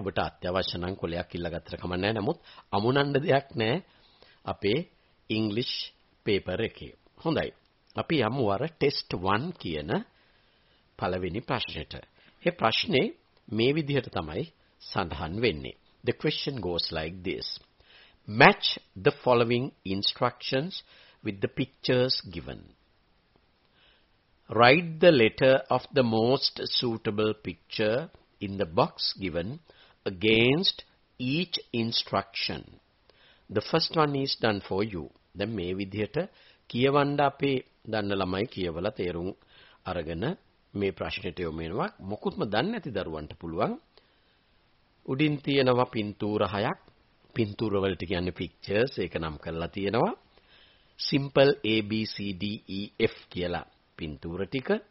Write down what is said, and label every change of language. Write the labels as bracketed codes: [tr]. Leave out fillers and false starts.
[si] ඔබට අත්‍යවශ්‍ය නම් කොළයක් ඉල්ලගත්තට කමක් නැහැ. නමුත් අමුණන්න දෙයක් නැහැ අපේ ඉංග්‍රීසි පේපර් එකේ. හොඳයි. අපි යමු වර ටෙස්ට් 1 කියන පළවෙනි ප්‍රශ්නෙට. මේ ප්‍රශ්නේ මේ විදිහට තමයි සඳහන් වෙන්නේ. [en] The question goes like this. Match the following instructions with the pictures given. Write the letter of the most suitable picture in the box given against each instruction. The first one is done for you. Then [si] මේ විදිහට කියවන්න අපේ දන්න ළමයි කියවලා තේරුම් අරගෙන මේ ප්‍රශ්නෙට යොමු වෙනවා. මොකුත්ම දන්නේ නැති දරුවන්ට පුළුවන් උඩින් තියෙනවා පින්තූර 6ක්. පින්තූර වලට කියන්නේ පික්චර්ස්. ඒක නම් කරලා තියෙනවා සිම්පල් ABCDEF කියලා පින්තූර ටික.